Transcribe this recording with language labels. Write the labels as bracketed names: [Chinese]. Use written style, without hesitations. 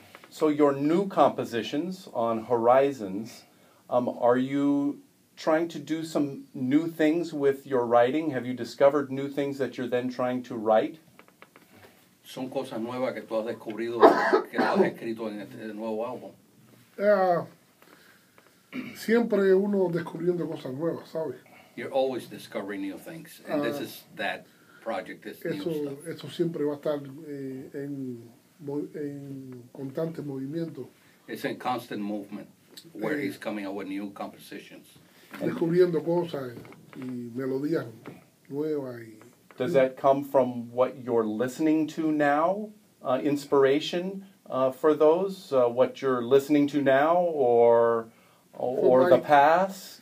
[English] So your new compositions on Horizons, are you trying to do some new things with your writing? Have you discovered new things that you're then trying to write? [Spanish] Son cosas nuevas que tú has descubrido que tú has escrito en este nuevo álbum. Siempre uno descubriendo cosas nuevas, ¿sabes? [English] You're always discovering new things, and this is that project, this new stuff. [Spanish] Eso siempre va a estar en constante movimiento. [English] It's in constant movement, where he's coming up with new compositions. [Spanish] Descubriendo cosas y melodías nuevas. [English] Does that come from what you're listening to now? Inspiration for those? What you're listening to now or the past?